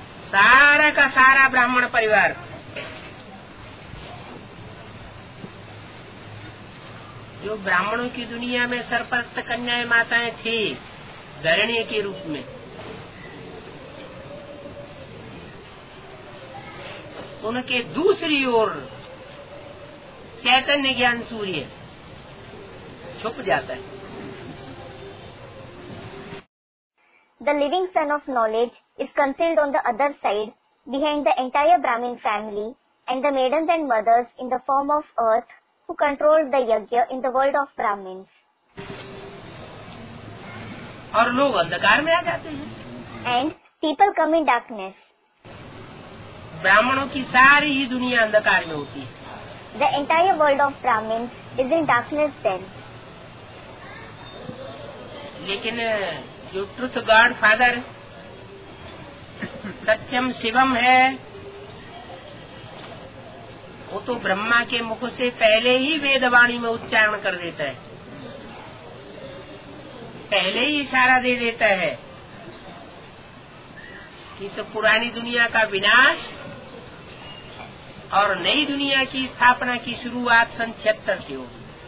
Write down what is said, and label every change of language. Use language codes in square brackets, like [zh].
[hi] सारा का सारा ब्राह्मण परिवार जो ब्राह्मणों की दुनिया में सरपरस्त कन्याएं माताएं थी धरणी के रूप में, उनके दूसरी ओर चैतन्य ज्ञान सूर्य छुप जाता है. [en] The living sun of knowledge is concealed on the other side behind the entire Brahmin family and the maidens and mothers in the form of earth who controlled the yajna in the world of Brahmins. [hi] और लोग अंधकार में आ जाते हैं. [en] And people come in darkness. [hi] ब्राह्मणों की सारी ही दुनिया अंधकार में होती है. [en] The entire world of Brahmins is in darkness then. [hi] लेकिन जो [en] truth God father [hi] सत्यम शिवम है, वो तो ब्रह्मा के मुख से पहले ही वेदवाणी में उच्चारण कर देता है, पहले ही इशारा दे देता है कि इस पुरानी दुनिया का विनाश और नई दुनिया की स्थापना की शुरुआत सन 76 से होगी.